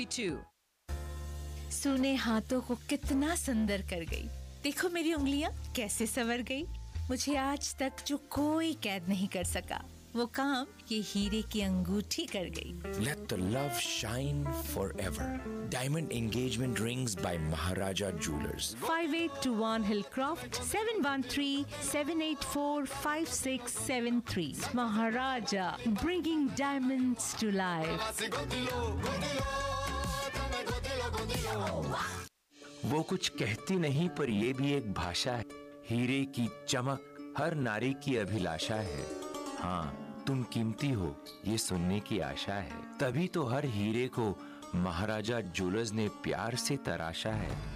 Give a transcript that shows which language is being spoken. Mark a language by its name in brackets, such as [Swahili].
[Hindi] सुने हाथों को कितना सुंदर कर गई, देखो मेरी उंगलियां कैसे सवर गई। मुझे आज तक जो कोई कैद नहीं कर सका वो काम ये हीरे की अंगूठी कर गई। [English] Let the love shine forever. Diamond engagement rings by Maharaja Jewelers. 5821 Hillcroft, 713-784-5673. Maharaja, bringing diamonds to life. [Hindi] वो कुछ कहती नहीं पर ये भी एक भाषा है। हीरे की चमक हर नारी की अभिलाषा है। हाँ, तुम कीमती हो ये सुनने की आशा है। तभी तो हर हीरे को महाराजा ज्वेलर्स ने प्यार से तराशा है।